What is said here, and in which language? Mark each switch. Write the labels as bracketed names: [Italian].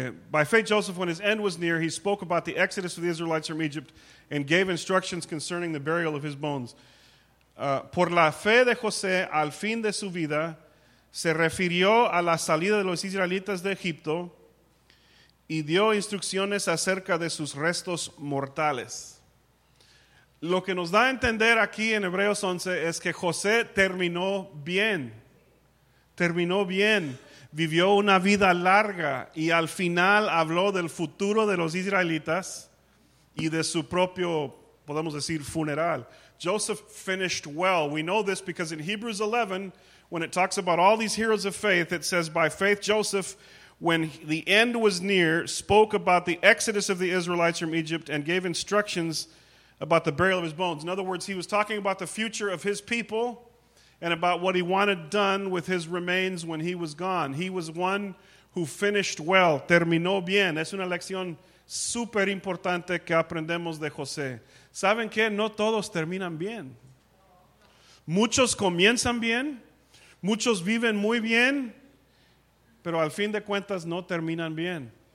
[English] By faith Joseph, when his end was near, he spoke about the exodus of the Israelites from Egypt and gave instructions concerning the burial of his bones. [Spanish] Por la fe de José, al fin de su vida, se refirió a la salida de los israelitas de Egipto y dio instrucciones acerca de sus restos mortales. Lo que nos da a entender aquí en Hebreos 11 es que José terminó bien. Terminó bien. Vivió una vida larga y al final habló del futuro de los israelitas y de su propio, podemos decir, funeral. [English] Joseph finished well. We know this because in Hebrews 11, when it talks about all these heroes of faith, it says, by faith Joseph, when the end was near, spoke about the exodus of the Israelites from Egypt and gave instructions about the burial of his bones. In other words, he was talking about the future of his people and about what he wanted done with his remains when he was gone. He was one who finished well. [Spanish] Terminó bien. Es una lección súper importante que aprendemos de José. ¿Saben qué? No todos terminan bien. Muchos comienzan bien. Muchos viven muy bien. Pero al fin de cuentas no terminan bien.